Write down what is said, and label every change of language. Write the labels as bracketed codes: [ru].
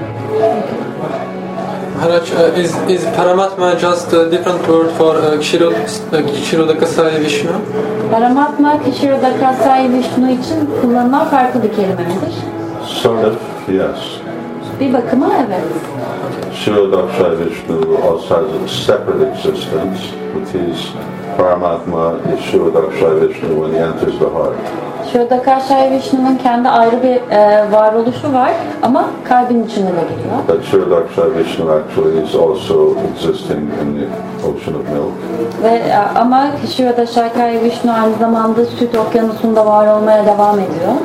[en] Maharaj, is Paramatma just a different word for Kshirodaka Sai Vishnu? [tr] Paramatma, Kshirodaka Sai Vishnu için kullanılan farklı bir kelime midir? [en] Sort of, yes. [tr] Bir bakıma evet. [en] Kshirodaka Sai Vishnu also has a separate existence, which is Paramatma is Kshirodakshaya Vishnu when he enters the heart. [tr] Kshirodakshaya Vishnu'nun kendi ayrı bir varoluşu var ama kalbin içine de giriyor. [en] But Kshirodakshaya Vishnu actually is also existing in the ocean of milk. [tr] Ve ama Kshirodakshaya Vishnu aynı zamanda süt okyanusunda var olmaya devam ediyor.